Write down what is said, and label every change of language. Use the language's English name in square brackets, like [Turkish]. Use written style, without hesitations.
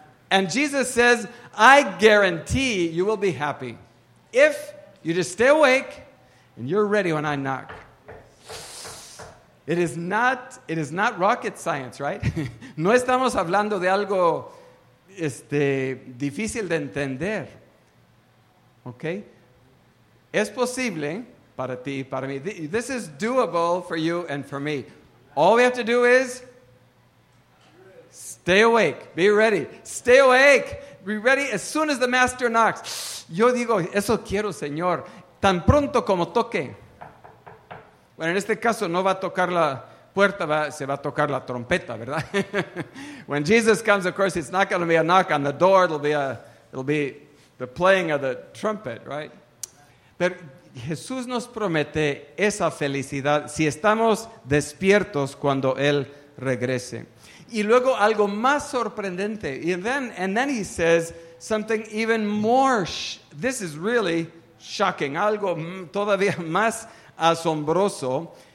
[English] And Jesus says, I guarantee you will be happy if you just stay awake and you're ready when I knock. It is not rocket science, right? [Spanish] No estamos hablando de algo difícil de entender. Okay? Es posible para ti y para mí. [English] This is doable for you and for me. All we have to do is stay awake. Be ready. Stay awake. Be ready as soon as the master knocks. [Spanish] Yo digo, eso quiero, Señor. Tan pronto como toque. Bueno, en este caso no va a tocar la puerta, va, se va a tocar la trompeta, ¿verdad? [English] When Jesus comes, of course, it's not going to be a knock on the door. It'll be the playing of the trumpet, right? [Spanish] Pero Jesús nos promete esa felicidad si estamos despiertos cuando Él regrese. Y luego algo más sorprendente. [English] And then he says something even more. This is really shocking. [Spanish] Algo todavía más asombroso.